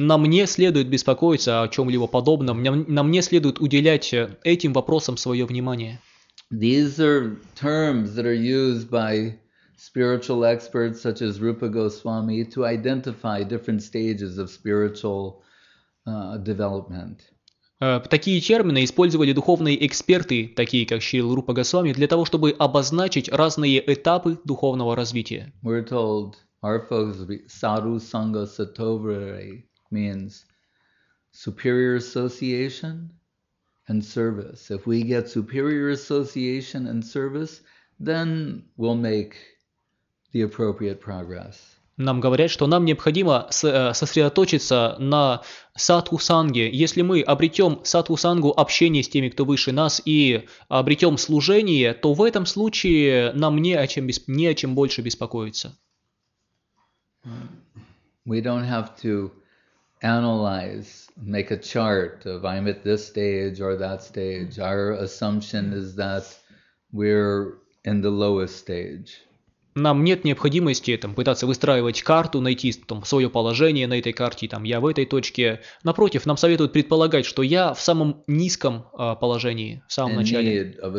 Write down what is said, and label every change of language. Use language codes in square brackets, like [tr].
[ru] Нам не следует беспокоиться о чем-либо подобном. Нам не следует уделять этим вопросам свое внимание. [en] These are terms that are used by spiritual experts such as Rupa Goswami to identify different stages of spiritual development. [ru] Такие термины использовали духовные эксперты, такие как Шрила Рупа Госвами, для того, чтобы обозначить разные этапы духовного развития. [en] We're told our focus will be sadhu sangha satovare means superior association and service. If we get superior association and service, then we'll make the appropriate progress. [ru] Нам говорят, что нам необходимо сосредоточиться на садху-санге. Если мы обретем садху-сангу, общение с теми, кто выше нас, и обретем служение, то в этом случае нам не о чем больше беспокоиться. [en] We don't have to analyze, make a chart of I'm at this stage or that stage. Our assumption is that we're in the lowest stage. [ru] Нам нет необходимости пытаться выстраивать карту, найти свое положение на этой карте, я в этой точке. Напротив, нам советуют предполагать, что я в самом низком положении, в самом начале.